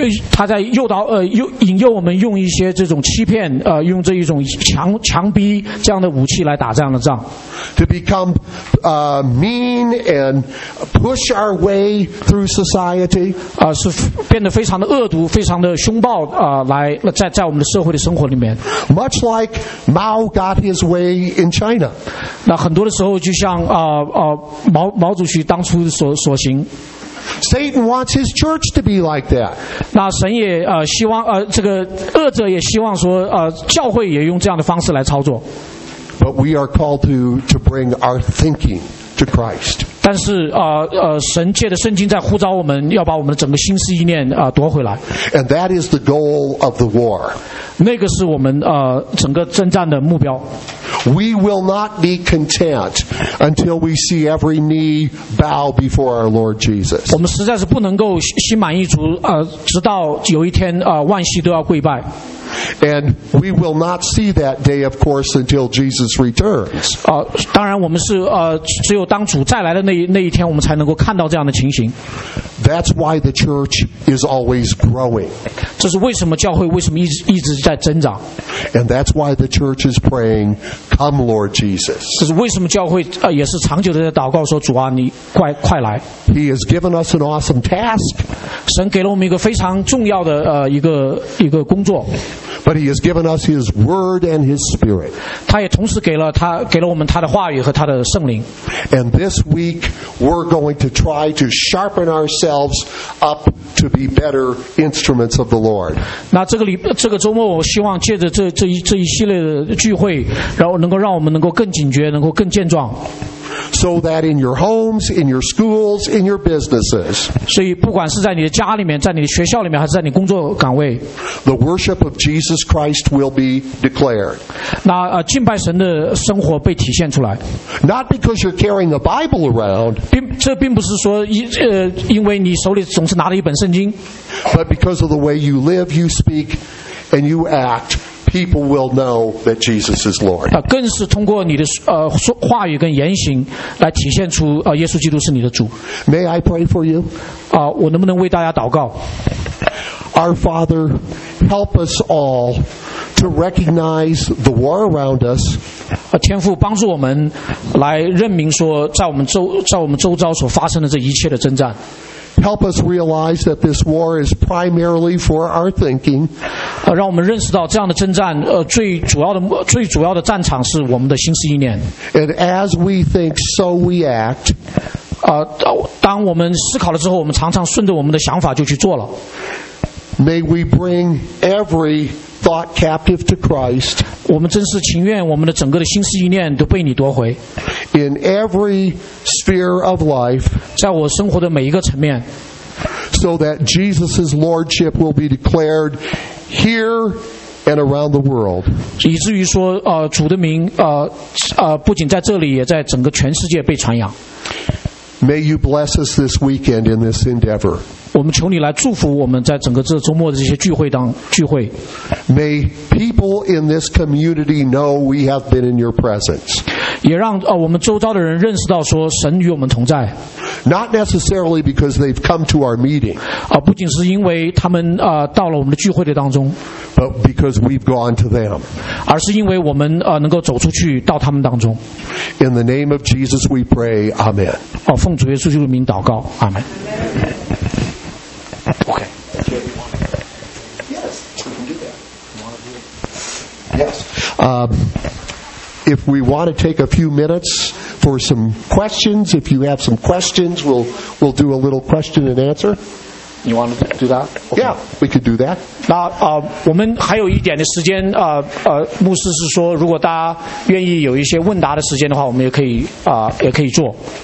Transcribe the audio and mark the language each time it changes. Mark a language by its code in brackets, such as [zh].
[zh] 他在引诱我们用一些这种欺骗，用这一种强逼这样的武器来打这样的仗。 [en] To become mean and push our way through society. [zh] 是变得非常的恶毒，非常的凶暴，来在我们的社会的生活里面。 [en] Much like Mao got his way in China. [zh] 那很多的时候就像毛主席当初所行。 [en] Satan wants his church to be like that. [zh] 那神也希望这个恶者也希望说教会也用这样的方式来操作。 [en] But we are called to bring our thinking to Christ. [zh] 但是神借着圣经在呼召我们，要把我们的整个心思意念夺回来。 [en] And that is the goal of the war. [zh] 那个是我们整个征战的目标。 [en] We will not be content until we see every knee bow before our Lord Jesus. [zh] 我们实在是不能够心满意足，直到有一天，万膝都要跪拜。 [en] And we will not see that day, of course, until Jesus returns. [zh] 当然我们是只有当主再来的那一天，我们才能够看到这样的情形。 [en] That's why the church is always growing. [zh] 这是为什么教会为什么一直在增长。 [en] And that's why the church is praying, "Come, Lord Jesus." [zh] 这是为什么教会也是长久的在祷告说主啊，你快来。 [en] He has given us an awesome task. [zh] 神给了我们一个非常重要的一个工作。 [en] But he has given us his word and his spirit. [zh] 他也同时给了我们他的话语和他的圣灵。 [en] And this week we're going to try to sharpen ourselves up to be better instruments of the Lord. [zh] 那这个周末我希望借着这一系列的聚会，然后能够让我们能够更警觉，能够更健壮。 [en] So that in your homes, in your schools, in your businesses. [zh] 所以不管是在你的家里面，在你的学校里面，还是在你工作岗位， [en] the worship of Jesus Christ will be declared. [zh] 那敬拜神的生活被体现出来。 [en] Not because you're carrying a Bible around. [zh] 这并不是说因为你手里总是拿着一本圣经。 [en] But because of the way you live, you speak, and you act. People will know that Jesus is Lord. [zh] 更是通过你的话语跟言行来体现出耶稣基督是你的主。 [en] May I pray for you? [zh] 我能不能为大家祷告？ [en] Our Father, help us all to recognize the war around us. [zh] 天父帮助我们来认明说在我们周遭所发生的这一切的征战。 [en] Help us realize that this war is primarily for our thinking. [zh] 让我们认识到这样的征战，最主要的战场是我们的心思意念。 [en] And as we think, so we act. [zh] 当我们思考了之后，我们常常顺着我们的想法就去做了。 [en] May we bring every thought captive to Christ. [zh] 我们真是情愿我们的整个的心思意念都被你夺回。 [en] In every sphere of life, [zh] 在我生活的每一个层面， [en] so that Jesus' lordship will be declared here and around the world. [zh] 以至于说，主的名，不仅在这里，也在整个全世界被传扬。 [en] May you bless us this weekend in this endeavor. [zh] 我们求你来祝福我们在整个这周末的这些聚会。 [en] May people in this community know we have been in your presence. [zh] 也让我们周遭的人认识到说神与我们同在。 [en] Not necessarily because they've come to our meeting. [zh] 不仅是因为他们到了我们的聚会的当中。 [en] But because we've gone to them. [zh] 而是因为我们能够走出去到他们当中。 [en] In the name of Jesus we pray, Amen. [zh] 奉主耶稣基督的名祷告， Amen. [en] OK. Yes, we can do that. Yes. If we want to take a few minutes for some questions, if you have some questions, we'll do a little question and answer. You want to do that? Okay. Yeah, we could do that. [zh] 那我们还有一点的时间，牧师是说，如果大家愿意有一些问答的时间的话，我们也可以也可以做。